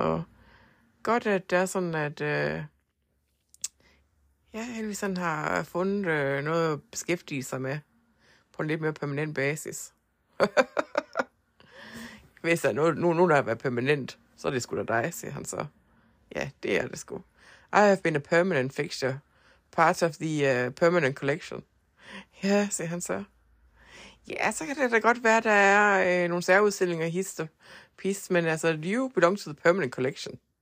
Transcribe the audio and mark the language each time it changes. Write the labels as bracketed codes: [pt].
[da] Og godt, at det er sådan, at ja, Elvis han har fundet noget at beskæftige sig med på en lidt mere permanent basis. Hvis der er nogen, der har været permanent, så er det sgu da dig, siger han så. Ja, det er det sgu. [en] I have been a permanent fixture. Part of the permanent collection. [da] Ja, siger han så. Ja, så kan det da godt være, der er nogle særudstillinger i hister. [en] Piece, [da] men altså, [en] you belong to the permanent collection.